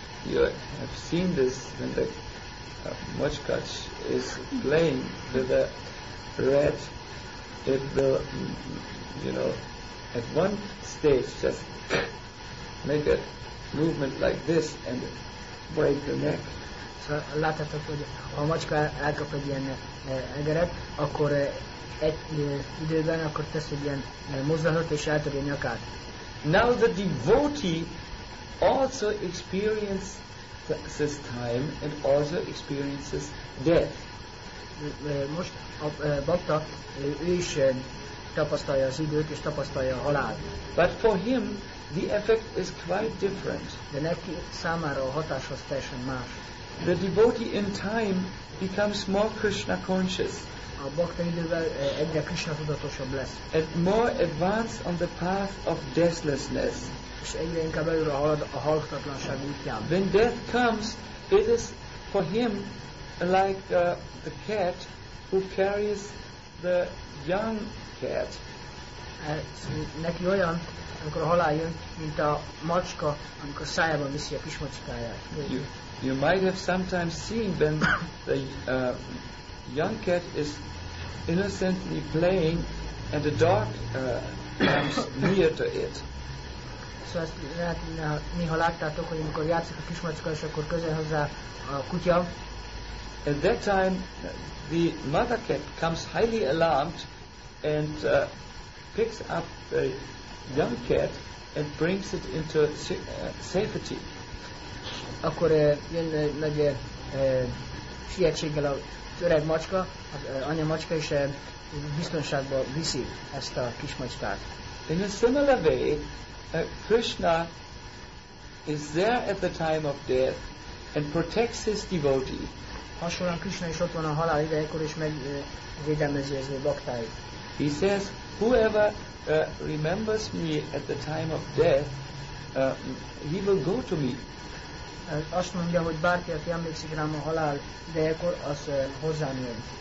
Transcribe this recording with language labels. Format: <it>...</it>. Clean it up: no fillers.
<en>You have seen this when the macska is playing with the rat. It will, you know, at one stage just make it movement like this and break the neck.</en> <hu>So láthatod, hogy ha a macska elkap egy ilyen egeret, akkor egy időben akkor tesz egy ilyen mozdulatot és eltöri a nyakát.</hu> <en>Now the devotee also experiences this time and also experiences death.</en> <hu>most a Bhakta ő is tapasztalja az időt és tapasztalja a halált.</hu> <en>But for him the effect is quite different.</en> <hu>De neki számára a hatás az teljesen más.</hu> <en>The devotee in time becomes more Krishna conscious.</en> <hu>A bhakta idővel egyre Krishna tudatosabb lesz.</hu> <en>And more advanced on the path of deathlessness.</en> <hu>És egyre inkább előre halad a halhatatlanság útján.</hu> <en>When death comes, it is for him like the cat who carries the young cat.</en> <hu>Neki olyan, amikor a halál jön, mint a macska, amikor szájában viszi a kis macskáját.</hu> <en>You might have sometimes seen when the young cat is innocently playing and a dog comes near to it.</en> <hu>Szóval ezt lehet, néha láttátok, hogy amikor játszik a kismacska, és akkor közel hozzá a kutya.</hu> <en>At that time, the mother cat comes highly alarmed and picks up the young cat and brings it into safety.</en> <hu>Akkor jön nagy sietséggel az öreg macska, az anya macska is biztonságban viszi ezt a kismacskát.</hu> <en>In a similar way, Krishna is there at the time of death and protects his devotee.</en> <hu>Hasonlóan Krishna is ott van a halál idejekor és megvédelmezi az ő baktáit.</hu> <en>He says, whoever remembers me at the time of death, he will go to me.</en> <hu>Azt mondja, hogy bárki, aki emlékszik rám a halál idejekor, az hozzám jön.</hu>